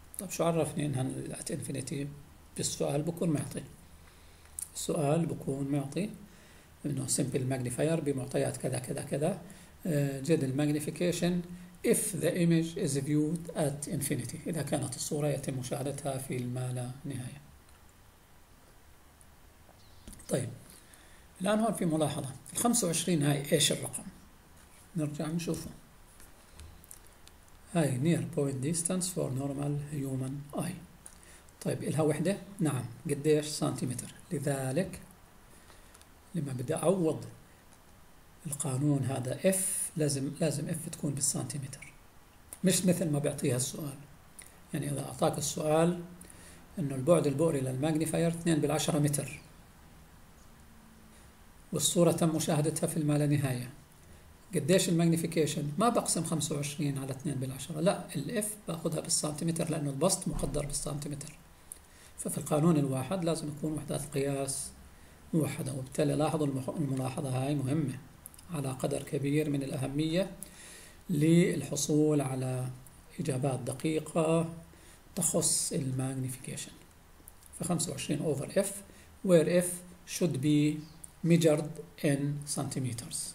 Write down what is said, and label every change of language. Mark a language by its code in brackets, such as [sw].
[ar] طيب شو عرفني انها ات انفينيتي؟ بالسؤال بكون معطي، السؤال بكون معطي انه سمبل ماجنيفاير بمعطيات كذا كذا كذا، جد الماجنيفيكيشن [en] if the image is viewed at infinity، [ar] اذا كانت الصورة يتم مشاهدتها في المالا نهاية. طيب الان هون في ملاحظة، ال 25 هاي ايش الرقم؟ نرجع نشوفه. هاي [en] near point distance for normal human eye. [ar] طيب إلها وحدة؟ نعم. قديش؟ سنتيمتر. لذلك لما بدي أعوض القانون هذا F لازم F تكون بالسنتيمتر، مش مثل ما بيعطيها السؤال. يعني إذا أعطاك السؤال إنه البعد البؤري للماجنيفاير 2 بالعشرة متر والصورة تم مشاهدتها في اللانهاية، قديش الماجنيفيكيشن؟ ما بقسم 25 على 2 بالعشرة، لا، الاف باخذها بالسنتيمتر لانه البسط مقدر بالسنتيمتر. ففي القانون الواحد لازم يكون وحدات القياس موحدة، وبالتالي لاحظوا الملاحظة هاي مهمة على قدر كبير من الأهمية للحصول على إجابات دقيقة تخص الماجنيفيكيشن. [en] ف 25 over f where f should be measured in centimeters.